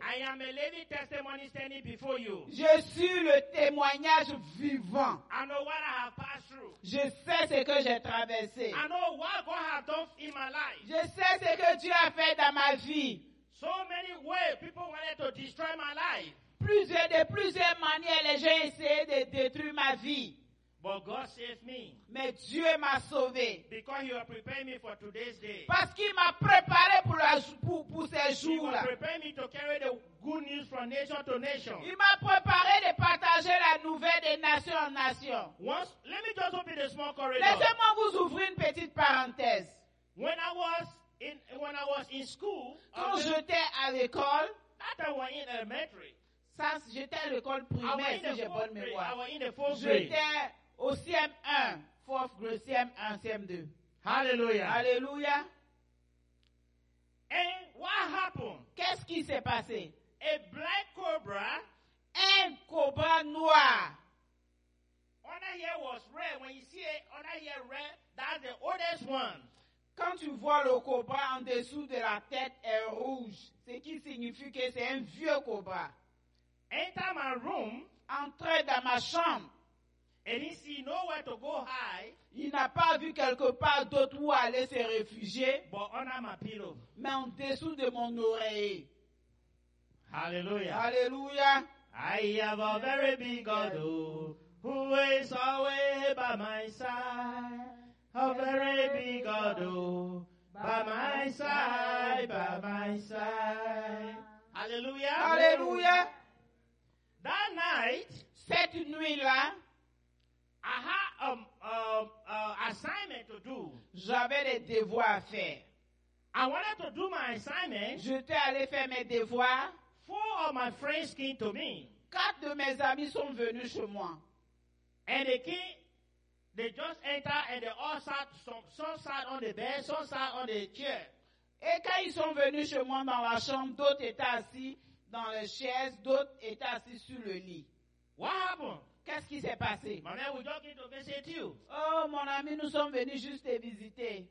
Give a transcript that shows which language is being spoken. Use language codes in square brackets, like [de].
[en] I am a living testimony standing before you. [fr] Je suis le témoignage vivant. [en] I know what I have passed through. [fr] Je sais ce que j'ai traversé. [en] I know what God has done in my life. [fr] Je sais ce que Dieu a fait dans ma vie. [en] So many ways people wanted to destroy my life. [fr] De plusieurs manières, les gens essayaient de détruire ma vie. [en] But God saved me. [fr] Mais Dieu m'a sauvé. [en] Because he will prepare me for today's day. [fr] Parce qu'il m'a préparé pour ces jours-là. [en] He will prepare me to carry the good news from nation to nation. [fr] Il m'a préparé de partager la nouvelle de nation en nation. [en] Once, let me just open a small corridor. [fr] Laissez-moi vous ouvrir une petite parenthèse. [en] When I was in school, [fr] quand j'étais à l'école, [en] that I was in elementary. [fr] Ça, j'étais à l'école primaire, si j'ai bonne mémoire. J'étais au CM1, [en] fourth grade, [fr] CM1, CM2. [en] Hallelujah. [fr] Hallelujah. [en] And what happened? [fr] Qu'est-ce qui s'est passé? [en] A black cobra. [fr] Un cobra noir. [en] Under here was red. When you see it, under here red, that's the oldest one. [fr] Quand tu vois le cobra en dessous de la tête est rouge, ce qui signifie que c'est un vieux cobra. [en] Enter my room, [fr] entrer dans ma chambre, [en] and he see nowhere to go hide, [fr] il n'a pas vu quelque part d'autre où aller se réfugier, [en] but under my pillow, [fr] mais en dessous de mon oreiller. [en] Hallelujah. [fr] Hallelujah. [en] I have a very big God who is always by my side. A very big God by my side, by my side. Hallelujah. [fr] Hallelujah. [en] That night, [fr] cette nuit-là, [en] I had assignment to do. [fr] J'avais des devoirs à faire. [en] I wanted to do my assignment. [fr] J'étais allé faire mes devoirs. [en] Four of my friends came to me. [fr] Quatre de mes amis sont venus chez moi. [en] And they came, they just entered and they all sat, some sat on the bed, some sat on the chair. [fr] Et quand ils sont venus chez moi dans la chambre, d'autres étaient assis dans les chaises, d'autres étaient assis sur le lit. [en] What happened? [fr] Qu'est-ce qui s'est passé? [en] My man, we're talking to visit you. [fr] Oh, mon ami, nous sommes venus juste te visiter.